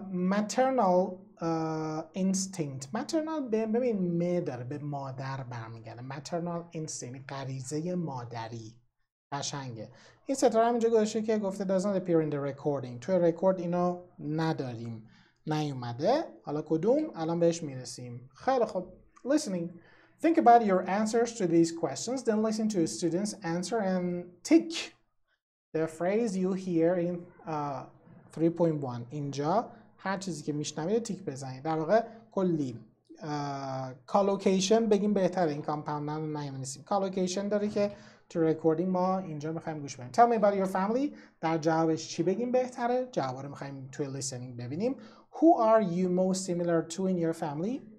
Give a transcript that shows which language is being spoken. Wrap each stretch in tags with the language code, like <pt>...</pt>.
<fa>maternal instinct، maternal ببین مادر، به مادر برمیگرده. maternal instinct غریزه مادری، قشنگه. این ستاره هم اینجا گذاشته که گفته</fa> <en>does not appear in the recording.</en> <fa>توی رکورد اینو نداریم. نیومده. حالا کدوم؟ الان بهش میرسیم. خیلی خوب.</fa> <en>Listening. Think about your answers to these questions. Then listen to a student's answer and tick the phrase you hear in 3.1.</en> <fa>اینجا هر چیزی که میشنوید تیک بزنید. در واقع کلی collocation بگیم بهتره. این compound رو نمی‌نویسیم. Collocation داره که تو recording ما اینجا میخواییم گوش بریم.</fa> <en>Tell me about your family.</en> <fa>در جوابش چی بگیم بهتره؟ جواب رو میخواییم توی listening ببینیم.</fa> <en>Who are you most similar to in your family?</en>